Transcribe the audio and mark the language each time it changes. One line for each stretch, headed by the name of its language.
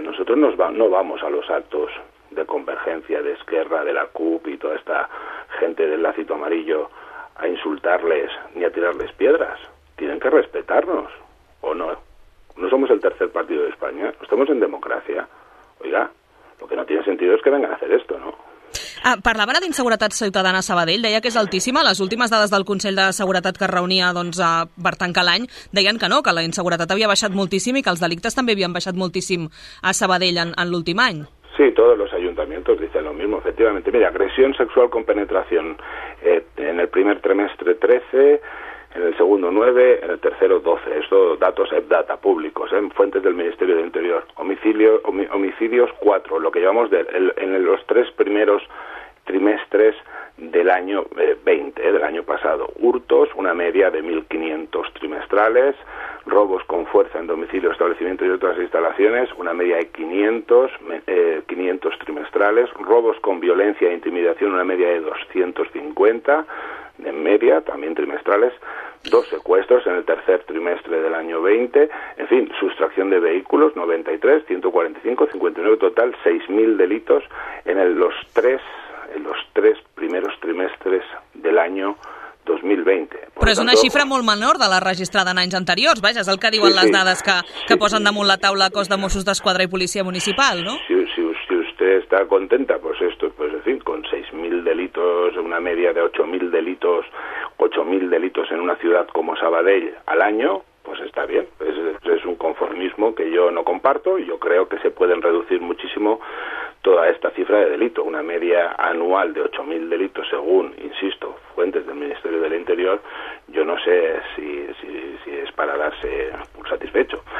Spanish: Nosotros no vamos a los actos de Convergencia, de Esquerra, de la CUP y toda esta gente del lacito amarillo a insultarles ni a tirarles piedras. Tienen que respetarnos, ¿o no? No somos el tercer partido de España, estamos en democracia. Oiga, lo que no tiene sentido es que vengan a hacer esto, ¿no?
Catalan: Ah, parlava ara d'inseguretat ciutadana a Sabadell, deia que és altíssima. Les últimes dades del Consell de Seguretat que reunia per tancar l'any deien que no, que la inseguretat havia baixat moltíssim i que els delictes també havien baixat moltíssim a Sabadell en l'últim any.
Spanish: Sí, todos los ayuntamientos dicen lo mismo, efectivamente. Mira, agresión sexual con penetración en el primer trimestre 13, en el segundo 9, en el tercero 12. Esto datos EPDATA públicos, fuentes del Ministerio del Interior. Homicidios 4, lo que llevamos en los tres primeros trimestres del año 20, del año pasado. Hurtos, una media de 1.500 trimestrales. Robos con fuerza en domicilio, establecimiento y otras instalaciones, una media de 500 trimestrales. Robos con violencia e intimidación, una media de 250 en media, también trimestrales. Dos secuestros en el tercer trimestre del año 20. En fin, sustracción de vehículos, 93, 145, 59, total 6.000 delitos en los tres primeros trimestres del año 2020.
Catalan: Però és una xifra molt menor de la registrada en anys anteriors, vaja, és el que diuen les dades que posen damunt la taula cos de Mossos d'Esquadra i Policia Municipal, no?
Spanish: Si usted está contenta, pues esto, pues en fin, con 6.000 delitos, una media de 8.000 delitos en una ciudad como Sabadell al año, pues está bien. Es un conformismo que yo no comparto y yo creo que se pueden reducir muchísimo toda esta cifra de delito, una media anual de 8.000 delitos según, insisto, fuentes del Ministerio del Interior, yo no sé si es para darse un satisfecho.